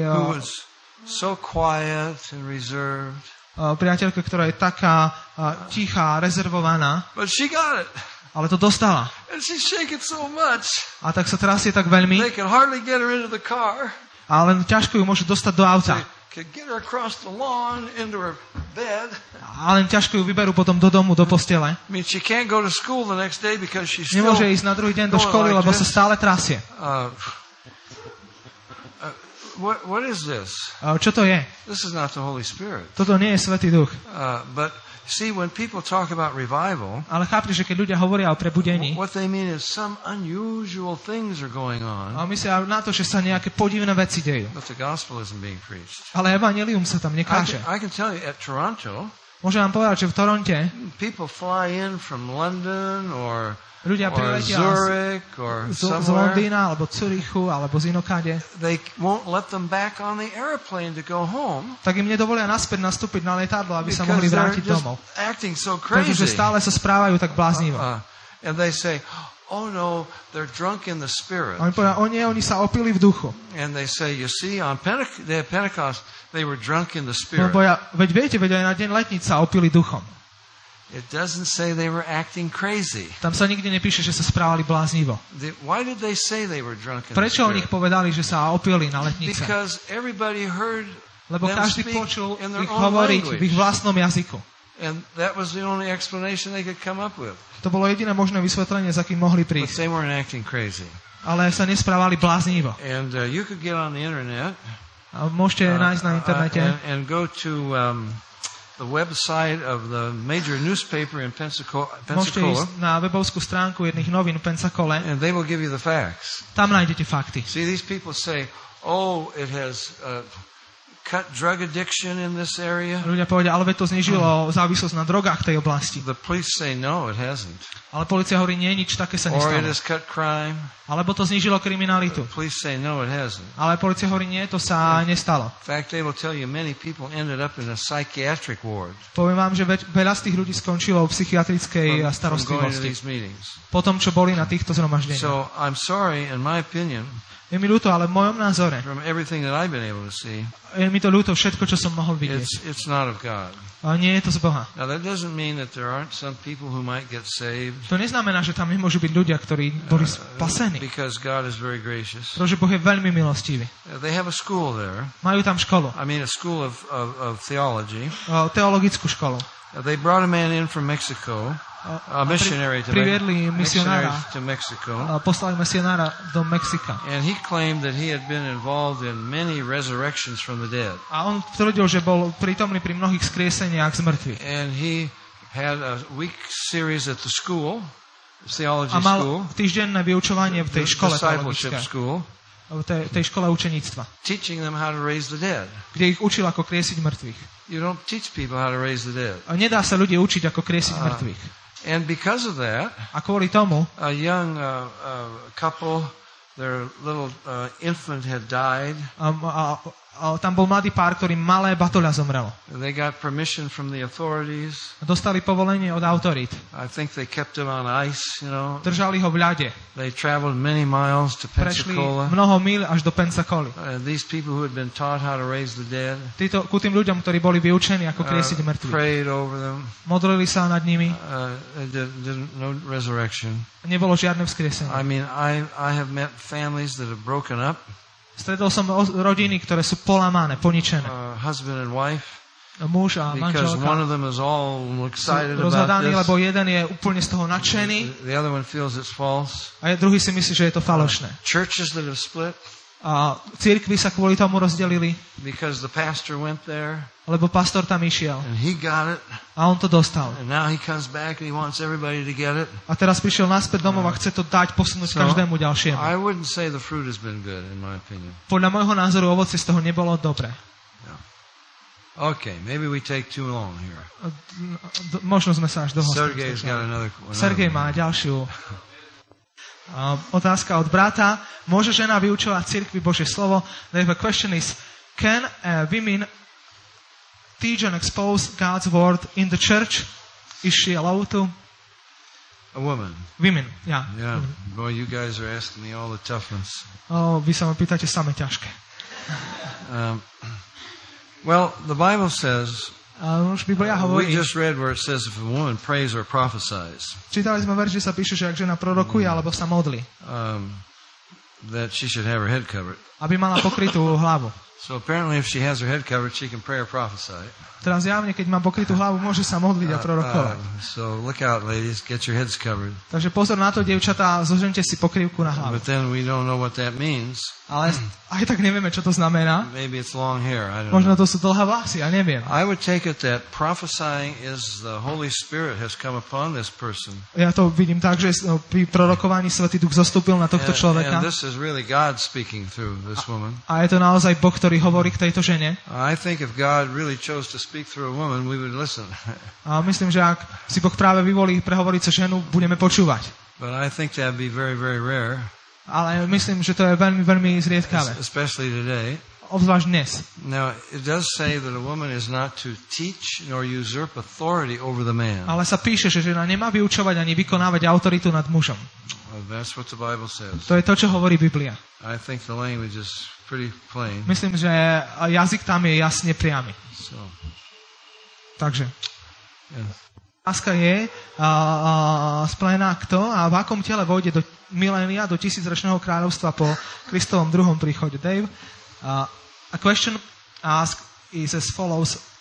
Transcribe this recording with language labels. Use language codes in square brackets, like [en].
[en] Who was so quiet and reserved. [sk] Priateľka, ktorá je taká tichá, rezervovaná. [en] But she got it. [sk] Ale to dostala. [en] And she's shaking so much. [sk] A tak sa trasie tak veľmi. [en] They can hardly get her into the car. [sk] A len ťažko ju môže dostať do auta. [en] They can get her across the lawn into her bed. [sk] A len ťažko ju vyberú potom do domu, do postele. [en] I mean, she can't go to school the next day because she's still. [sk] Nemôže ísť na druhý deň do školy, lebo sa stále trasie. [en] What is this? [sk] Čo to je? [en] This is not the Holy Spirit. [sk] Toto nie je Svätý Duch. [en] But see, when people talk about revival, [sk] ale chápte, že keď ľudia hovoria o prebudení, [en] what they mean is some unusual things are going on. [sk] A myslia na to, že sa nejaké podivné veci dejú. [en] But the gospel isn't being preached. [sk] Ale evanjelium sa tam nekáže. [en] I can tell you at Toronto. [sk] Môžem vám povedať, že v Toronte [en] people fly in from London or [sk] ľudia priletia Zurich or z Londýna alebo Zurichu alebo z inokade. [en] They won't let them back on the airplane to go home. [sk] Tak im nedovolia naspäť nastúpiť na lietadlo, aby sa mohli vrátiť domov. [en] Acting so crazy. [sk] Pretože stále sa správajú tak bláznivo. [en] And they say, oh no, they're drunk in the spirit. [sk] Oni povedia, oh nie, oni sa opili v duchu. [en] And they say, you see, on Pentecost they were drunk in the spirit. [sk] No boja, veď viete, veď aj na deň letníc sa opili duchom. [en] It doesn't say they were acting crazy. [sk] Tam sa nikdy nepíše, že sa správali bláznivo. [en] Why did they say they were drunk in the spirit? [sk] Prečo o nich povedali, že sa opili na letnice? [en] Because everybody heard [sk] lebo každý počul ich hovoriť v ich vlastnom jazyku. [en] And that was the only explanation they could come up with. [sk] To bolo jediné možné vysvetlenie, za kým mohli prísť. [en] But they weren't acting crazy. [sk] Ale sa nesprávali bláznivo. [en] And you could get on the internet. [sk] A môžete nájsť na internete. [en] And go to the website of the major newspaper in Pensacola. [sk] Môžete ísť na webovskú stránku jedných novín v Pensacole. [en] And they will give you the facts. [sk] Tam nájdete fakty. [en] See, these people say, oh, it has cut drug addiction in this area. [sk] Ľudia povedia, ale to znižilo závislosť na drogách tej oblasti. [en] The police say no, it hasn't. [sk] Ale polícia hovorí, nie, nič také sa nestalo. [en] Or it has cut crime. [sk] Alebo to znižilo kriminalitu. [en] The police say no, it hasn't. [sk] Ale polícia hovorí, nie, to sa nestalo. [en] In fact, they will tell you many people ended up in a psychiatric ward. [sk] Poviem vám, že veľa z tých ľudí skončilo v psychiatrickej starostlivosti. Potom čo boli na týchto zhromaždeniach. [en] So I'm sorry, in my opinion. [sk] Je mi ľúto, ale v mojom názore [en] see, [sk] je mi to ľúto všetko, čo som mohol vidieť. [en] It's not of God. [sk] A nie je to z Boha. [en] Now that doesn't mean that there aren't some people who might get saved. [sk] To neznamená, že tam nemôžu byť ľudia, ktorí boli spasení. [en] Because God is very gracious. [sk] Pretože Boh je veľmi milostivý. [en] They have a school there. [sk] Majú tam školu. [en] I mean a school of theology. [sk] Teologickú školu. [en] They brought a man in from Mexico. A missionary to [sk] priviedli misionára [en] to Mexico. [sk] Poslali misionára do Mexika. [en] And he claimed that he had been involved in many resurrections from the dead. [sk] A on tvrdil, že bol prítomný pri mnohých skrieseniach z mŕtvych. [en] And he had a week series at the school, theology [sk] school. A mal [en] school, [sk] týždenné vyučovanie v tej škole teologickej. V tej škole učeníctva. [en] Teaching them how to raise the dead. [sk] Kde ich učil, ako kriesiť mŕtvych. [en] You don't teach people how to raise the dead. [sk] A nedá sa ľudí učiť, ako kriesiť mŕtvych. [en] And because of that, [sk] a kvôli tomu, [en] a young couple, their little infant had died. [sk] Tam bol mladý pár, ktorý malé batoľa zomrelo. [en] They got permission from the authorities. [sk] Dostali povolenie od autorít. [en] I think they kept him on ice, you know. [sk] Držali ho v ľade. [en] They traveled many miles to Pensacola. [sk] Prešli mnoho míľ až do Pensacoly. [en] These people who had been taught how to raise the dead. [sk] Títo ku tým ľuďom, ktorí boli vyučení ako kriesiť mŕtvych. [en] Prayed over them. [sk] Modlili sa nad nimi. [en] No resurrection. [sk] Nebolo žiadne vzkriesenie. [en] I mean, I have met families that have broken up. [sk] Stretol som rodiny, ktoré sú polamané, poničené. [en] Husband and wife. [sk] Muž a manželka. [en] Because one of them is all excited [sk] rozhadaný, [en] about [sk] lebo jeden je úplne z toho nadšený. [en] The other one feels it's false. [sk] A druhý si myslí, že je to falošné. [en] Churches that have split. [sk] A cirkvi sa kvôli tomu rozdelili. [en] Because the pastor went there. [sk] Lebo pastor tam išiel. [en] And he got it. [sk] A on to dostal. [en] And now he comes back and he wants everybody to get it. [sk] A teraz prišiel naspäť domov a chce to dať posunúť každému ďalšiemu. [en] I wouldn't say the fruit has been good in my opinion. [sk] Podľa môjho názoru ovocie z toho nebolo dobre. [en] Okay, maybe we take too long here. [sk] Možno sme sa až dohostili. [en] Sergej's got another one. [sk] Sergej má ďalšiu. Otázka od brata. Môže žena vyučovať cirkvi Božie slovo? [en] The question is, can women teach and expose God's word in the church? Is she allowed to? A woman. Women, yeah. Yeah, women. Boy, you guys are asking me all the tough ones. [sk] Oh, vy sa ma pýtate same ťažké. [en] Well, the Bible says, [sk] hovorí, [en] we just read where it says if a woman prays or prophesies. [sk] Čítali sme verš, že sa píše, že ak žena prorokuje alebo sa modlí. [en] That she should have her head covered. [sk] Aby mala pokrytú hlavu. [en] So apparently if she has her head covered, she can pray or prophesy. [sk] Teraz zjavne, keď má pokrytú hlavu, môže sa modliť a prorokovať. [en] So look out, ladies, get your heads covered. [sk] Takže pozor na to, dievčatá, zoženite si pokrývku na hlavu. [en] But then we don't know what that means. [sk] Ale aj tak nevieme, čo to znamená. [en] Maybe it's long hair, I don't know. [sk] Možno to sú dlhé vlasy, ja neviem. [en] I would take it that prophesying is the Holy Spirit has come upon this person. [sk] Ja to vidím tak, že pri prorokovaní Svätý Duch zostúpil na tohto človeka. [en] And this is really God speaking through this woman. [sk] A je to naozaj Boh, ktorý hovorí k tejto žene. [en] I think if God really chose to speak through a woman, we would listen. [sk] A myslím, že ak si Boh práve vyvolí prehovoriť sa ženu, budeme počúvať. [en] But I think that would be very, very rare. [sk] Ale myslím, že to je veľmi, veľmi zriedkavé. [en] Especially today. [sk] Obzvlášť dnes. [en] Now, it does say that a woman is not to teach nor usurp authority over the man. [sk] Ale sa píše, že žena nemá vyučovať ani vykonávať autoritu nad mužom. [en] Well, that's what the Bible says. [sk] To je to, čo hovorí Biblia. [en] I think the language is pretty plain. [sk] Myslím, že jazyk tam je jasne priamy. [en] So. [sk] Takže. [en] Yes. [sk] Láska je splená kto a v akom tele vôjde do milénia, do tisícročného kráľovstva po Kristovom druhom príchode. [en] Dave, a question asked is as follows.